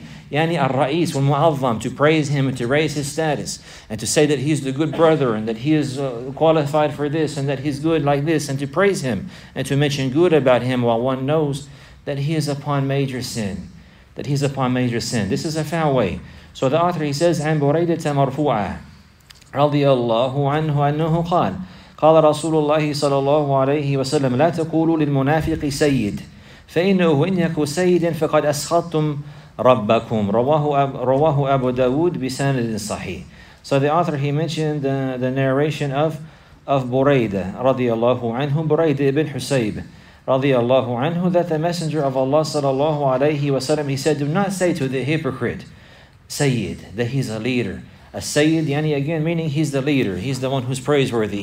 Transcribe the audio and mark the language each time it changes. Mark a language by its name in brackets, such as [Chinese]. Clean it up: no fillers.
[English] Yani al-Ra'is, al-Mu'azzam, to praise him and to raise his status. And to say that he's the good brother, and that he is qualified for this, and that he's good like this. And to praise him, and to mention good about him, while one knows that he is upon major sin. This is a foul way. So the author, he says, [Arabic] عن بريدة مرفوعة رضي الله عنه أنه قال قال رسول الله صلى الله عليه وسلم لا تقولوا للمنافق سيد فإنه إن يكو سيد فقد أسخطتم ربكم رواه أبو داود بسند صحيح. [English] So the author, he mentioned the narration of بريدة رضي الله عنه, بريدة بن حسيب radiallahu anhu, that the Messenger of Allah sallallahu alayhi wa sallam, he said, do not say to the hypocrite, Sayyid, that he's a leader. A Sayyid, yani again, meaning he's the leader. He's the one who's praiseworthy.